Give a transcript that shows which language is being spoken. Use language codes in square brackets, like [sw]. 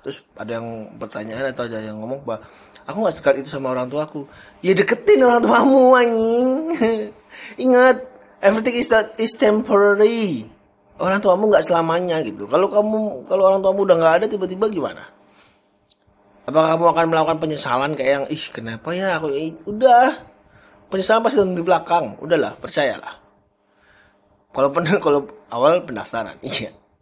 [id] Terus ada yang bertanya atau ada yang ngomong bahwa aku nggak sekat itu sama orang tuaku. Ya deketin orang tuamu, anjing. [en] Ingat, everything is temporary. [id] Orang tuamu nggak selamanya gitu. Kalau orang tuamu udah nggak ada, tiba-tiba gimana? Apakah kamu akan melakukan penyesalan kayak yang ih kenapa ya aku udah? Penyesalan pasti di belakang. Udahlah, percayalah. Kalau awal pendaftaran, iya.